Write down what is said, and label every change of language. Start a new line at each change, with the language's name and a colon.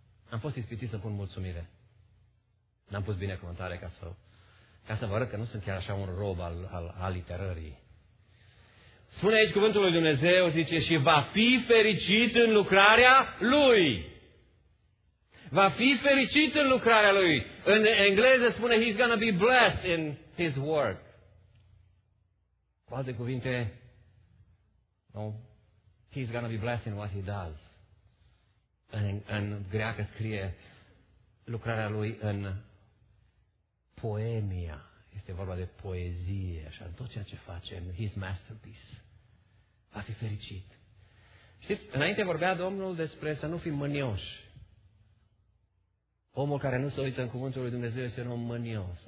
Romanian: Am fost ispitit să pun mulțumire. N-am pus binecuvântare ca să vă arăt că nu sunt chiar așa un rob al aliterării. Spune aici cuvântul lui Dumnezeu, zice, și va fi fericit în lucrarea Lui. Va fi fericit în lucrarea Lui. În engleză spune,
English: he's gonna be blessed in his work.
Romanian: Cu alte cuvinte,
English: no, he's gonna be blessed in what he does.
Romanian: În greacă scrie lucrarea Lui în poemia. Este vorba de poezie, așa, tot ceea ce face, în
English: his masterpiece.
Romanian: Va fi fericit. Știți, înainte vorbea Domnul despre să nu fim mânioși. Omul care nu se uită în Cuvântul lui Dumnezeu este un om mânios.